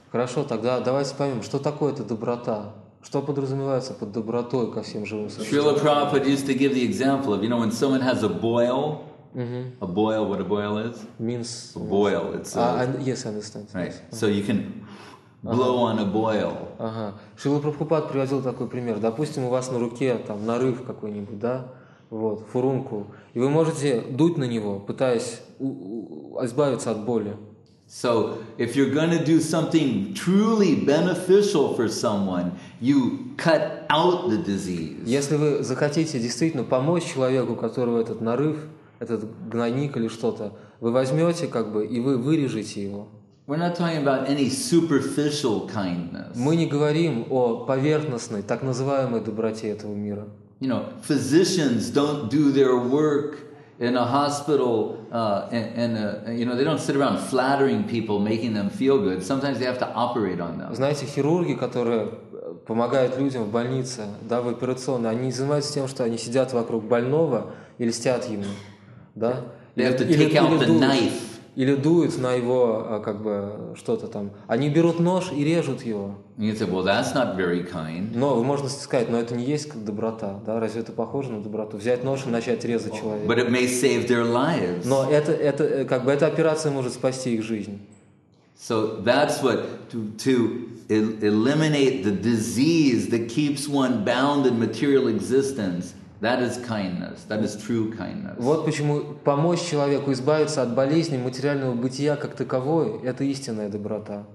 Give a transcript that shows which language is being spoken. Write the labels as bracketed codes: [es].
[ru] Хорошо, тогда давайте поймем, что такое эта доброта. Что подразумевается под добротой ко всем живым существам? [en] Srila Prabhupada used to give the example of, you know, when someone has a boil. Mm-hmm. A boil, what a boil is? Means a boil. It's yes, I understand. Right. Uh-huh. So you can blow uh-huh. on a boil. Ага. [ru] Шрила Прабхупад приводил такой пример. Допустим, у вас на руке там нарыв какой-нибудь, да? Вот, фурункул. И вы можете дуть на него, пытаясь избавиться от боли. [en] So if you're going to do something truly beneficial for someone, you cut out the disease. [ru] Если вы захотите действительно помочь человеку, у которого этот нарыв, этот гнойник или что-то, вы возьмете, как бы, и вы вырежете его. [en] We're not talking about any superficial kindness. [ru] Мы не говорим о поверхностной, так называемой доброте этого мира. [en] You know, physicians don't do their work in a hospital, and they don't sit around flattering people, making them feel good. Sometimes they have to operate on them. [ru] Знаете, хирурги, которые помогают людям в больнице, да, в операционной, они не занимаются тем, что они сидят вокруг больного и льстят ему, да? [en] They have to take out the knife. [ru] Или дуют на его, как бы, что-то там. Они берут нож и режут его. [en] You say, well, that's not very kind. [ru] Но вы можете сказать, но это не есть как доброта. Да? Разве это похоже на доброту? Взять нож и начать резать человека. [en] But it may save their lives. [ru] Но это, как бы, эта операция может спасти их жизнь. [en] So that's what, to eliminate the disease that keeps one bound in material existence. That is kindness. That is true kindness. [ru] Вот почему помочь человеку избавиться от болезни материального бытия как таковой – это истинная доброта.